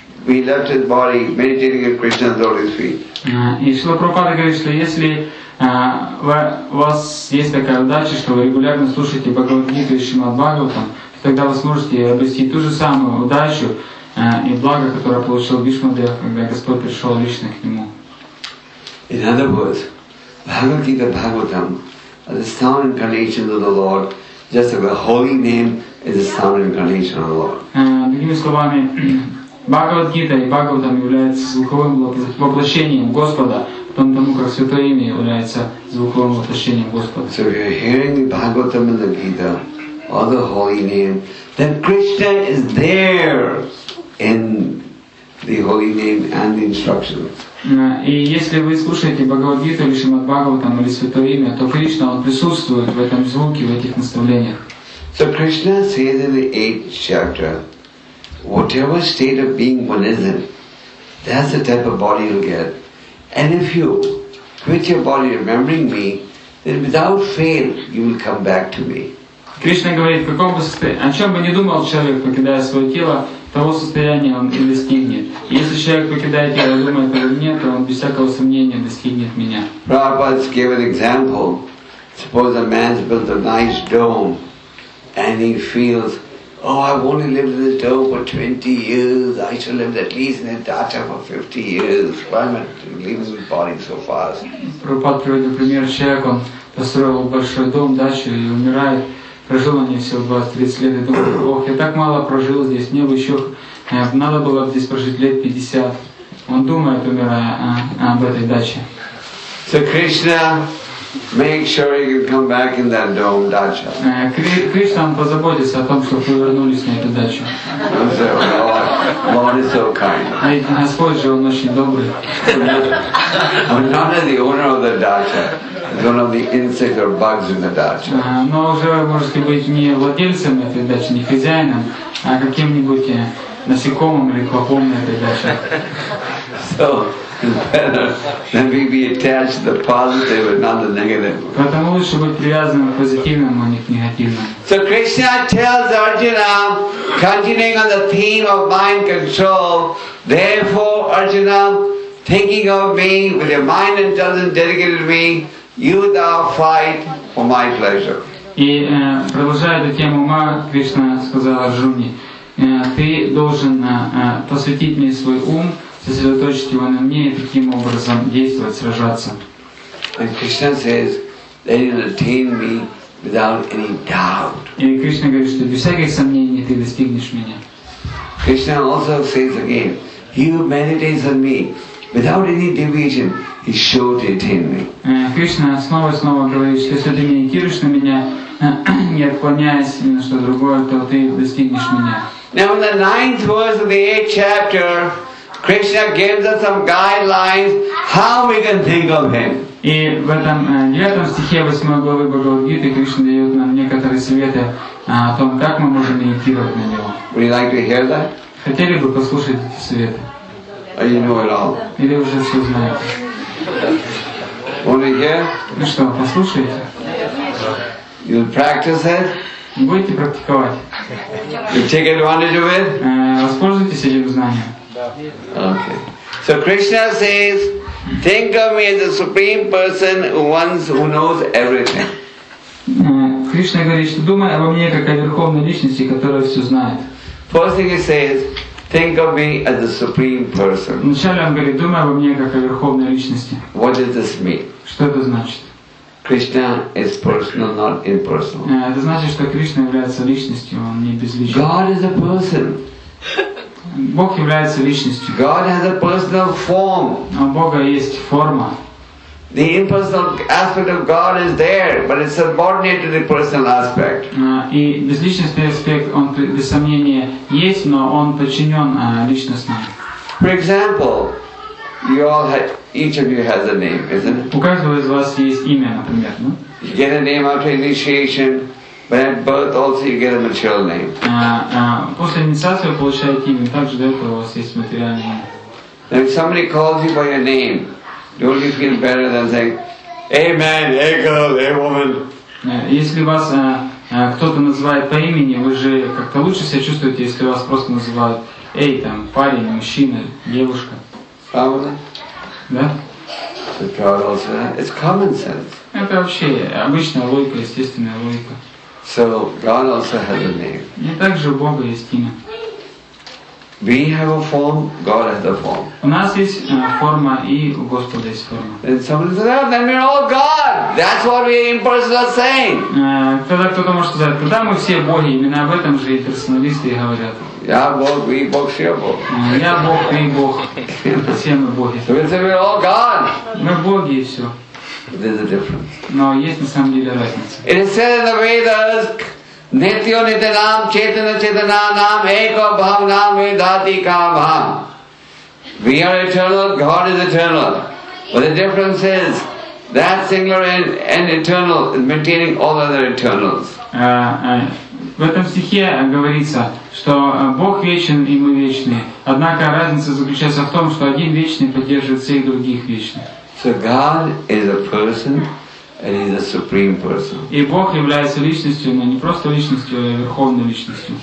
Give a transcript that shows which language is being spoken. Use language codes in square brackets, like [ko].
[en] We left his body meditating at Krishna's lotus feet. [ru] И Шрила Прабхупада говорит, что если у вас есть такая удача, что вы регулярно слушаете Бхагавад Гиту и Шримад Бхагаватам, тогда вы сможете обрести ту же самую удачу, и благо, которое получил Бишмадев, когда Господь пришел лично к нему. [en] In other words, Bhagavad Gita Bhagavatam is the sound incarnation of the Lord, just as a holy name is the sound incarnation of the Lord. [ru] Другими словами, Бхагавад Гита и Бхагаватам является звуковым воплощением Господа, потому как Святое Имя является звуковым воплощением Господа. [en] So if you're hearing the Bhagavatam and the Gita, or the holy name, then Krishna is there in the holy name and the instructions. [ru] И если вы слушаете Бхагавад Гиту или Шримад Бхагаватам или Святое Имя, то Кришна он присутствует в этом звуке, в этих наставлениях. [en] So Krishna says in the 8th chapter, whatever state of being one is in, that's the type of body you'll get. And if you quit your body remembering me, then without fail you will come back to me. [ru] Кришна говорит, в каком состоянии, о чем бы ни думал человек, покидая свое тело, того состояния он и достигнет. Если человек покидает тело и думает о мне, то он без всякого сомнения достигнет меня. [en] Prabhupada gave an example. Suppose a man's built a nice dome and he feels, oh, I've only lived in this dome for 20 years. I should live at least in a dhata for 50 years. Why am I leaving this body so fast? [ru] Prabhupada приводит пример человека, он построил большой дом, дачу и умирает. Прожил он всего 20-30 лет, и думал, ох, я так мало прожил здесь, мне бы еще надо было здесь прожить лет 50. Он думает, умирая, об этой даче. [en] So Krishna, make sure you come back in that dome, dacha. [ru] Кришна, он позаботится о том, чтобы вы вернулись на эту дачу. [en] Lord is so kind. [ru] Господь же, он очень добрый. [en] I'm not the owner of the dacha. One of the insects or bugs in the dacha. [ru] Но уже может быть не владельцем этой дачи, не хозяином, а каким-нибудь насекомым или клопом на этой даче. [en] So better than be attached to the positive and not the negative. [ru] Поэтому лучше быть привязанным к позитивному, а не к негативному. [en] So Krishna tells Arjuna, continuing on the theme of mind control, therefore, Arjuna, thinking of me with your mind and intelligence dedicated to me, you thou fight for my pleasure. [ru] И продолжая эту тему ума, Кришна сказал Арджуне, ты должен посвятить мне свой ум, сосредоточить его на мне и таким образом действовать, сражаться. [en] And Krishna says, then you'll attain me without any doubt. [ru] И Кришна говорит, что без всяких сомнений ты достигнешь меня. [en] Krishna also says again, he who meditates on me without any deviation, he sure to attain me. [ru] Кришна снова и снова говорит, что если ты медитируешь на меня, не отклоняясь ни на что другое, то ты достигнешь меня. [en] Now in the 9th verse of the 8th chapter, Krishna gives us some guidelines how we can think of him. [ru] И в этом 9 стихе 8 главы Бхагавад-гиты Кришна дает нам некоторые советы о том, как мы можем медитировать на него. [en] Would you like to hear that? [ru] Хотели бы послушать эти советы? [en] Or you know it all? [ru] Или уже все знаете? [en] Want to hear? [ru] Ну что, послушаете? [en] You'll practice it? [ru] Будете практиковать? [en] You take advantage of it? [ru] Воспользуйтесь этим знанием. [en] Okay. So Krishna says, think of me as the Supreme Person who knows everything. [ru] Кришна говорит, что думай обо мне как о Верховной Личности, которая все знает. [en] First thing he says, think of me as the Supreme Person. [ru] Вначале он говорит, думай обо мне как о Верховной Личности. [en] What does this mean? [ru] Что это значит? [en] Krishna is personal, not impersonal. [ru] Это значит, что Кришна является личностью, он не безличный. [en] God is a person. [ru] Бог является личностью. [en] God has a personal form. [ru] У Бога есть форма. [en] The impersonal aspect of God is there, but it's subordinate to the personal aspect. [ru] И безличностный аспект, он без сомнения есть, но он подчинен личностному. [en] For example, you all had, each of you has a name, isn't it? [ru] У каждого из вас есть имя, например, no? [en] You get a name after initiation. But at birth also you get a material name. [ru] После инициации вы получаете имя, также для этого у вас есть материальное имя. [en] Now if somebody calls you by your name, don't you feel better than saying, hey man, hey girl, hey woman? [ru] Если вас кто-то называет по имени, вы же как-то лучше себя чувствуете, если вас просто называют, эй, там, парень, мужчина, девушка. Правда? Да. [en] The child also, it's common sense. [ru] Это вообще обычная логика, естественная логика. [en] So God also has a name. [ru] И также у Бога есть имя. [en] We have a form, God has a form. [ru] У нас есть форма и у Господа есть форма. [en] And somebody says, oh, then we're all God. That's what we impersonalists are saying. [ru] Тогда кто-то может сказать, тогда мы все боги, именно об этом же и персоналисты говорят. Я Бог, вы Бог, все Бог. Я Бог, ты Бог. Все мы боги. [en] So we say, we're all God. [ru] Мы боги и все. [en] There's a difference. [ru] Но есть на самом деле разница. [en] It is said in the Vedas, [sa] Nityo Nityanam Chetana Chetana Nam Eko Bhav Nam Vedati Ka Bhav. [en] We are eternal, God is eternal. But the difference is that singular and eternal is maintaining all other eternals. [ru] В этом стихе говорится, что Бог вечен и мы вечны. Однако разница заключается в том, что один вечный поддерживает всех других вечных. [en] So God is a person. And he's a supreme person. [ru] И Бог является личностью, но не просто личностью, а верховной личностью.